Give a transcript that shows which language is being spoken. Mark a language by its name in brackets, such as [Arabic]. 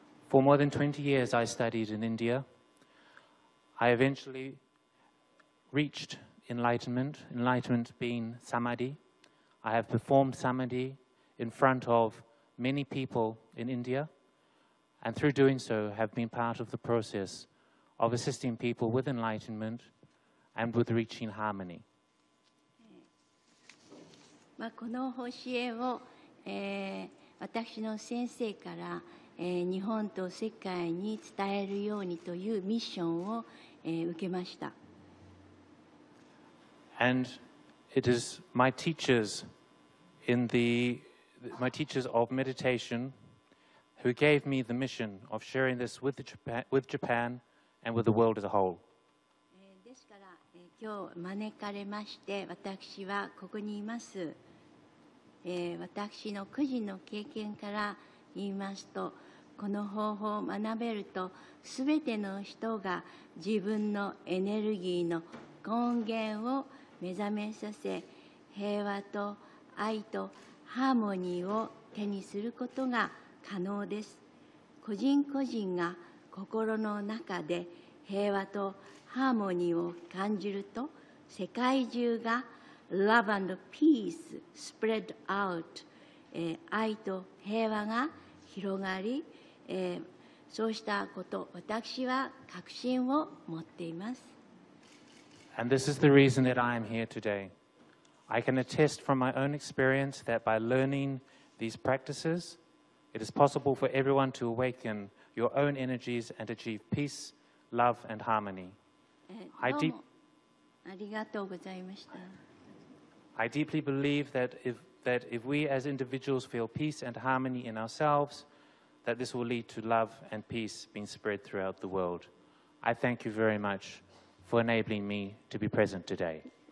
[English] For more than 20 years I studied in India. I eventually reached enlightenment, enlightenment being samadhi. I have performed samadhi in front of many people in India, and through doing so have been part of the process of assisting people with enlightenment and with reaching harmony. [Japanese] まあ、この教えを、私の先生から日本と世界に伝えるようにというミッションを受けました。 [English] And it is my teachers in the my teachers of meditation who gave me the mission of sharing this with the Japan, with Japan and with the world as a whole. [Japanese] ですから今日招かれまして私はここにいます。私の個人の経験から言いますと。この方法を学べると、すべての人が自分のエネルギーの根源を目覚めさせ、平和と愛とハーモニーを手にすることが可能です。個人個人が心の中で平和とハーモニーを感じると、世界中が Love and Peace spread out、愛と平和が広がり、そうしたこと、私は確信を持っています。 [English] And this is the reason that I am here today. I can attest from my own experience that by learning these practices, it is possible for everyone to awaken your own energies and achieve peace, love and harmony. [Japanese] ありがとうございました。 [English] I deeply believe that if we as individuals feel peace and harmony in ourselves,that this will lead to love and peace being spread throughout the world. I thank you very much for enabling me to be present today.